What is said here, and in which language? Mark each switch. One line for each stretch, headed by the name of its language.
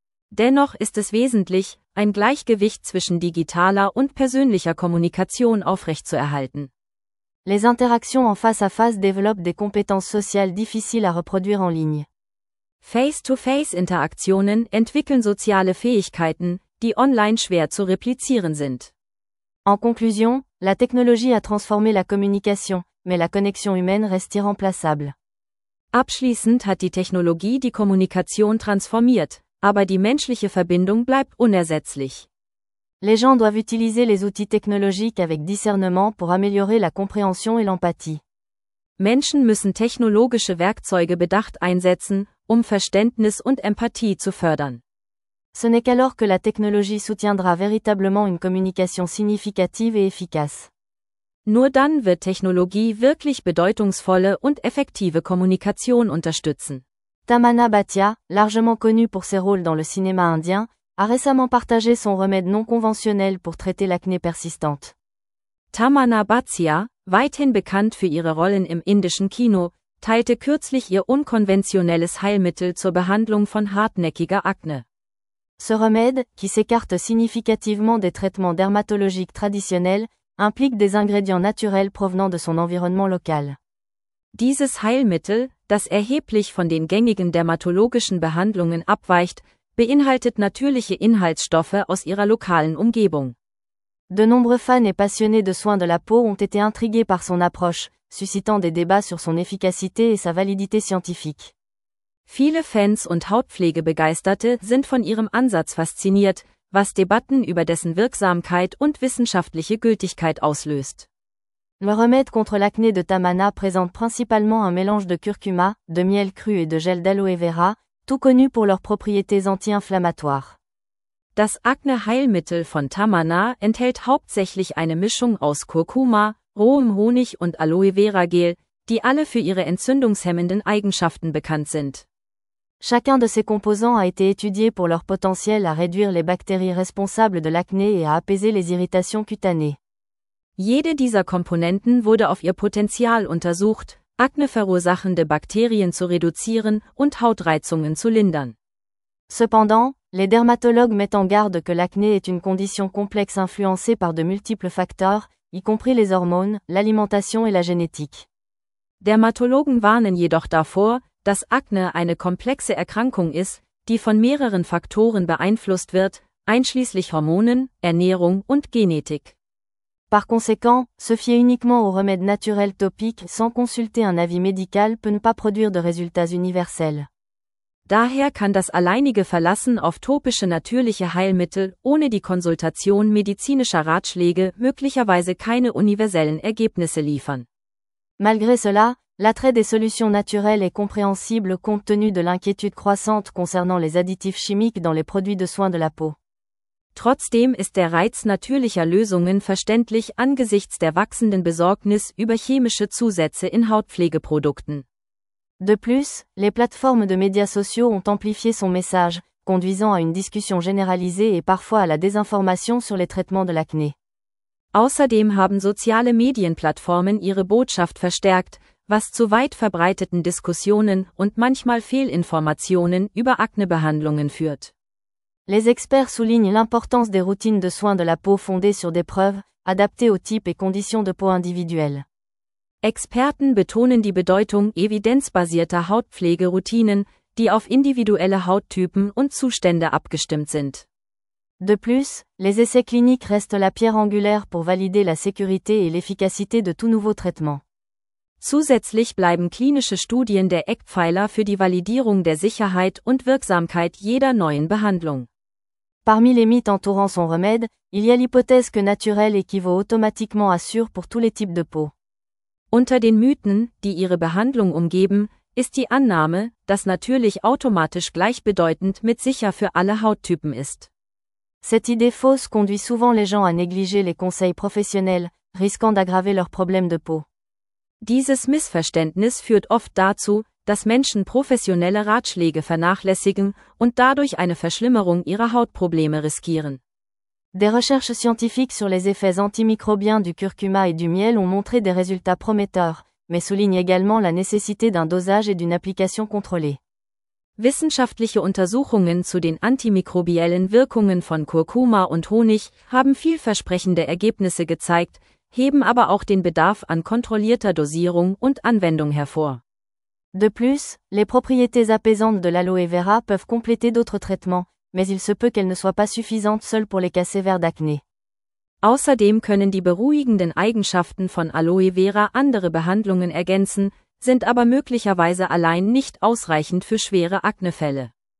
German: Dennoch ist es wesentlich, ein Gleichgewicht zwischen digitaler und persönlicher Kommunikation aufrechtzuerhalten.
French: Les interactions en face à face développent des compétences sociales difficiles à reproduire en ligne.
German: Face-to-face-Interaktionen entwickeln soziale Fähigkeiten, die online schwer zu replizieren sind.
French: En conclusion, la technologie a transformé la communication, mais la connexion humaine reste irremplaçable.
German: Abschließend hat die Technologie die Kommunikation transformiert, aber die menschliche Verbindung bleibt unersetzlich.
French: Les gens doivent utiliser les outils technologiques avec discernement pour améliorer la compréhension et l'empathie.
German: Menschen müssen technologische Werkzeuge bedacht einsetzen, um Verständnis und Empathie zu fördern.
French: Ce n'est qu'alors que la technologie soutiendra véritablement une communication significative et efficace.
German: Nur dann wird Technologie wirklich bedeutungsvolle und effektive Kommunikation unterstützen.
French: Tamanna Bhatia, largement connue pour ses rôles dans le cinéma indien, a récemment partagé son remède non conventionnel pour traiter l'acné persistante.
German: Tamanna Bhatia, weithin bekannt für ihre Rollen im indischen Kino, teilte kürzlich ihr unkonventionelles Heilmittel zur Behandlung von hartnäckiger Akne.
French: Ce remède, qui s'écarte significativement des traitements dermatologiques traditionnels, implique des ingrédients naturels provenant de son environnement local.
German: Dieses Heilmittel, das erheblich von den gängigen dermatologischen Behandlungen abweicht, beinhaltet natürliche Inhaltsstoffe aus ihrer lokalen Umgebung.
French: De nombreux fans et passionnés de soins de la peau ont été intrigués par son approche, suscitant des débats sur son efficacité et sa validité scientifique.
German: Viele Fans und Hautpflegebegeisterte sind von ihrem Ansatz fasziniert, was Debatten über dessen Wirksamkeit und wissenschaftliche Gültigkeit auslöst.
French: Le remède contre l'acné de Tamanna présente principalement un mélange de curcuma, de miel cru et de gel d'aloe vera, tout connu pour leurs propriétés anti-inflammatoires.
German: Das Akne-Heilmittel von Tamanna enthält hauptsächlich eine Mischung aus Kurkuma, rohem Honig und Aloe Vera Gel, die alle für ihre entzündungshemmenden Eigenschaften bekannt sind.
French: Chacun de ces composants a été étudié pour leur potentiel à réduire les bactéries responsables de l'acné et à apaiser les irritations cutanées.
German: Jede dieser Komponenten wurde auf ihr Potenzial untersucht, akneverursachende Bakterien zu reduzieren und Hautreizungen zu lindern.
French: Cependant, les dermatologues mettent en garde que l'acné est une condition complexe influencée par de multiples facteurs, y compris les hormones, l'alimentation et la génétique.
German: Dermatologen warnen jedoch davor, dass Akne eine komplexe Erkrankung ist, die von mehreren Faktoren beeinflusst wird, einschließlich Hormonen, Ernährung und Genetik.
French: Par conséquent, se fier uniquement aux remèdes naturels topiques sans consulter un avis médical peut ne pas produire de résultats universels.
German: Daher kann das alleinige Verlassen auf topische natürliche Heilmittel ohne die Konsultation medizinischer Ratschläge möglicherweise keine universellen Ergebnisse liefern.
French: Malgré cela, l'attrait des solutions naturelles est compréhensible compte tenu de l'inquiétude croissante concernant les additifs chimiques dans les produits de soins de la peau.
German: Trotzdem ist der Reiz natürlicher Lösungen verständlich angesichts der wachsenden Besorgnis über chemische Zusätze in Hautpflegeprodukten.
French: De plus, les plateformes de médias sociaux ont amplifié son message, conduisant à une discussion généralisée et parfois à la désinformation sur les traitements de l'acné.
German: Außerdem haben soziale Medienplattformen ihre Botschaft verstärkt, was zu weit verbreiteten Diskussionen und manchmal Fehlinformationen über Aknebehandlungen führt.
French: Les experts soulignent l'importance des routines de soins de la peau fondées sur des preuves, adaptées aux types et conditions de peau individuelles.
German: Experten betonen die Bedeutung evidenzbasierter Hautpflegeroutinen, die auf individuelle Hauttypen und Zustände abgestimmt sind.
French: De plus, les essais cliniques restent la pierre angulaire pour valider la sécurité et l'efficacité de tout nouveau traitement.
German: Zusätzlich bleiben klinische Studien der Eckpfeiler für die Validierung der Sicherheit und Wirksamkeit jeder neuen Behandlung.
French: Parmi les mythes entourant son remède, il y a l'hypothèse que naturel équivaut automatiquement à sûr pour tous les types de peau.
German: Unter den Mythen, die ihre Behandlung umgeben, ist die Annahme, dass natürlich automatisch gleichbedeutend mit sicher für alle Hauttypen ist.
French: Cette idée fausse conduit souvent les gens à négliger les conseils professionnels, risquant d'aggraver leurs problèmes de peau.
German: Dieses Missverständnis führt oft dazu, dass Menschen professionelle Ratschläge vernachlässigen und dadurch eine Verschlimmerung ihrer Hautprobleme riskieren.
French: Des recherches scientifiques sur les effets antimicrobiens du curcuma et du miel ont montré des résultats prometteurs, mais soulignent également la nécessité d'un dosage et d'une application contrôlée.
German: Wissenschaftliche Untersuchungen zu den antimikrobiellen Wirkungen von Kurkuma und Honig haben vielversprechende Ergebnisse gezeigt, heben aber auch den Bedarf an kontrollierter Dosierung und Anwendung hervor.
French: De plus, les propriétés apaisantes de l'aloe vera peuvent compléter d'autres traitements, mais il se peut qu'elles ne soient pas suffisantes seules pour les cas sévères d'acné.
German: Außerdem können die beruhigenden Eigenschaften von Aloe vera andere Behandlungen ergänzen, sind aber möglicherweise allein nicht ausreichend für schwere Aknefälle.